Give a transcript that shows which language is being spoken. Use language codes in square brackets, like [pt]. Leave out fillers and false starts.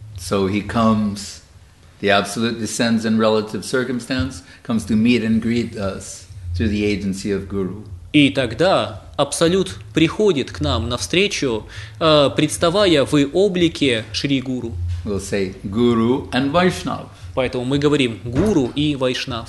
[en] So he comes. The Absolute descends in relative circumstance, comes to meet and greet us through the agency of Guru. [ru] И тогда Абсолют приходит к нам навстречу, представая в облике Шри Гуру. [en] We'll say Guru and Vaishnav. [ru] Поэтому мы говорим Гуру и Вайшнав.